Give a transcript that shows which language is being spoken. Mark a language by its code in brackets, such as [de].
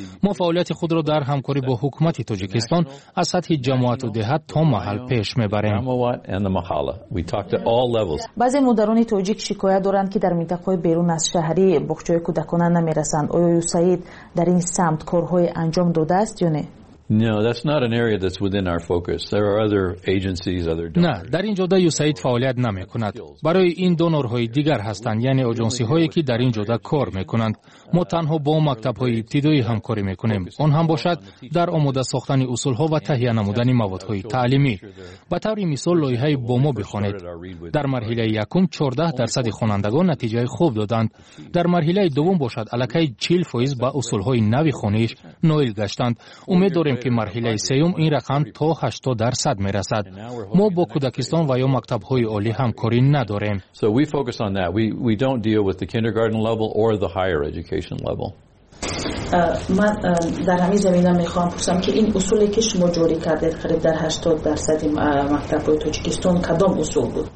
[fa] ما فعالیت خود را در همکاری با حکومت تاجیکستان از سطح جماعت و دهات تا محل پیش میبریم. بعضی مادران تاجیک شکایت دارند که در منطقه بیرون از شهری بخچه کودکان نمیرسند. آیا یوسف در این سمت کارهای انجام داده است یا نه؟ [en] No, that's not an area that's within our focus. There are other agencies, other donors. [fa] نه، در این جاده USAID فعالیت نمی‌کند. برای این دونورهای دیگر هستند، یعنی آژانسی‌هایی که در این جاده کار می‌کنند. ما تنها با مکتب‌های ابتدایی همکاری می‌کنیم. آن هم باشد در آماده ساختن اصول‌ها و تهیه نمودن موادهای تعلیمی. به طور مثال لایحه با ما بخوانید. در مرحله یکم 14% خوانندگان نتیجه خوب دادند. در مرحله دوم باشد الکای 40% به اصول‌های نوی خوانش نائل گشتند. امید داریم که مرحله سیوم این رقم تا 80% میرسد. ما با کودکستان و یا مکتب‌های عالی همکاری نداریم. [en] So we focus on that. We don't deal with the kindergarten level or the higher education level. [fa] من در همین زمینه میخوام پرسم که این اصولی که شما جوری کردید قریب در 80% مکتب‌های تاجیکستان کدام اصول بود؟